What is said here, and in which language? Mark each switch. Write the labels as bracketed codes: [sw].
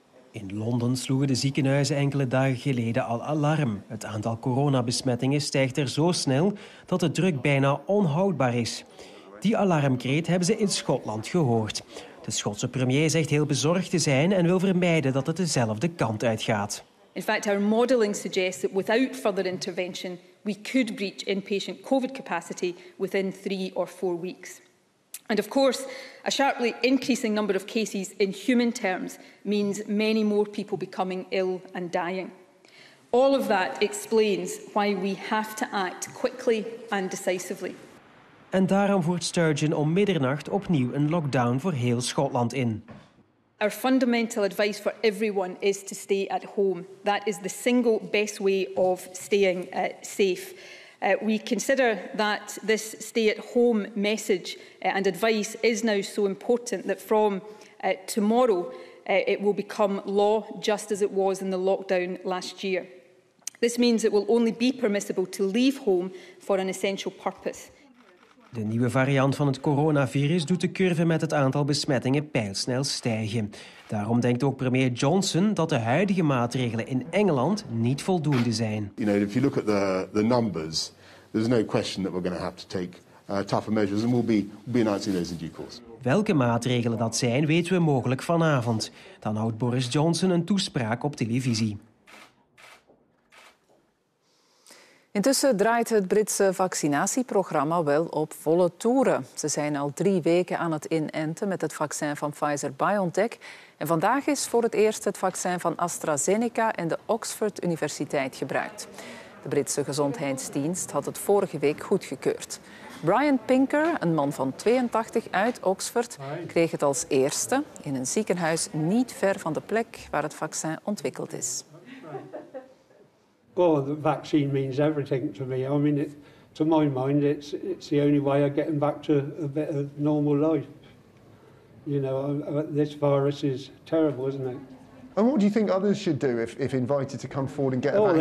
[nl] In Londen sloegen de ziekenhuizen enkele dagen geleden al alarm. Het aantal coronabesmettingen stijgt er zo snel dat de druk bijna onhoudbaar is. Die alarmkreet hebben ze in Schotland gehoord. De Schotse premier zegt heel bezorgd te zijn en wil vermijden dat het dezelfde kant uitgaat. [en] In fact, our modelling suggests that without further intervention, we could breach inpatient COVID capacity within 3 or 4 weeks. And of course, a sharply increasing number of cases in human terms means many more people becoming ill and dying. All of that explains why we have to act quickly and decisively. [nl] En daarom voert Sturgeon om middernacht opnieuw een lockdown voor heel Schotland in. [en] Our fundamental advice for everyone is to stay at home. That is the single best way of staying safe. We consider that this stay-at-home message and advice is now so important that from tomorrow it will become law, just as it was in the lockdown last year. This means it will only be permissible to leave home for an essential purpose. [nl] De nieuwe variant van het coronavirus doet de curve met het aantal besmettingen pijlsnel stijgen. Daarom denkt ook premier Johnson dat de huidige maatregelen in Engeland niet voldoende zijn. [en] You know, if you look at the numbers, there's no question that we're going to have to take tougher measures, and we'll be announcing those in due course. [nl] Welke maatregelen dat zijn, weten we mogelijk vanavond. Dan houdt Boris Johnson een toespraak op televisie. Intussen draait het Britse vaccinatieprogramma wel op volle toeren. Ze zijn al 3 weken aan het inenten met het vaccin van Pfizer-BioNTech. En vandaag is voor het eerst het vaccin van AstraZeneca en de Oxford Universiteit gebruikt. De Britse gezondheidsdienst had het vorige week goedgekeurd. Brian Pinker, een man van 82 uit Oxford, kreeg het als eerste in een ziekenhuis niet ver van de plek waar het vaccin ontwikkeld is. [en] Oh, the vaccine means everything to me. I mean, to my mind, it's the only way of getting back to a bit of normal life. You know, this virus is terrible, isn't it? And what do you think others should do if invited to come forward and get a vaccine?